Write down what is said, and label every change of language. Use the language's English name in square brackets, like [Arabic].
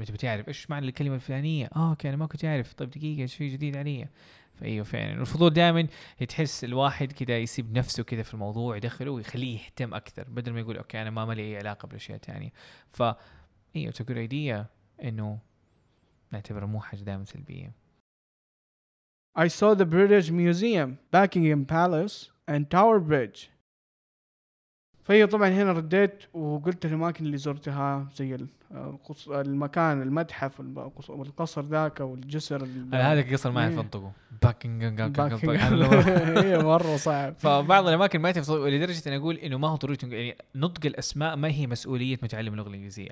[Arabic] أنت بتعرف إيش معنى الكلمة الفلانية؟ أوكي أنا ما كنت أعرف، طيب دقيقة شيء جديد عليا. فأيوه فعلا الفضول دائما يتحس الواحد كده يسيب نفسه كده في الموضوع، يدخله ويخليه يهتم أكثر، بدل ما يقول أوكي أنا ما لي أي علاقة بالأشياء تانية. فأيوه تقول أيديا إنه نعتبره مو حاجة دائما سلبية. [English] I saw the British Museum, Buckingham Palace and Tower Bridge. [Arabic] فهي طبعا هنا رديت وقلت الأماكن اللي زرتها زي المكان المتحف والقصر ذاك والجسر. هذا القصر ما يعرف انطقه، باكنغهام باكنغهام مرة صعب. فبعض الأماكن ما يعرف انطقه لدرجة أن أقول إنه ما هو ضروري يعني نطق الأسماء، ما هي مسؤولية متعلم اللغة الإنجليزية.